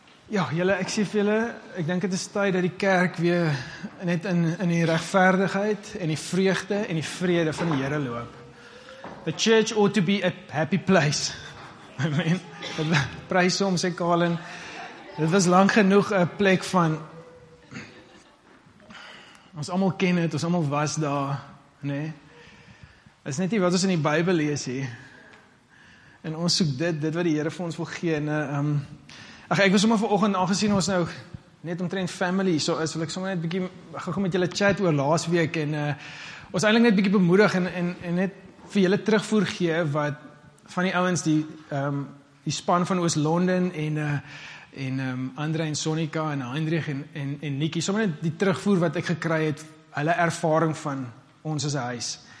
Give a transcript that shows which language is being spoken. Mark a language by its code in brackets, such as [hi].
[af] Ja, julle, ek sê vir julle, ek denk het is tyd dat die kerk weer net in die regverdigheid en die vreugde en die vrede van die Here loop. [en] The church ought to be a happy place. I mean, [af] dit prys hom, sê Colin. Dit was lang genoeg 'n plek van, ons allemaal ken het, ons allemaal was daar, nee. Is net nie wat ons in die Bybel lees hier. En ons soek dit wat die Here vir ons wil gee, en ek wil sommer vanoggend, aangesien ons nou net omtrent family so is, wil ek sommer net bietjie gou met julle chat oor laas week en ons eintlik net bietjie bemoedig en net vir julle terugvoer gee wat van die ouens die die span van Oos-London en Andre en Sonika en Hendrik en Nikki, sommer net die terugvoer wat ek gekry het, hulle ervaring van ons as 'n huis.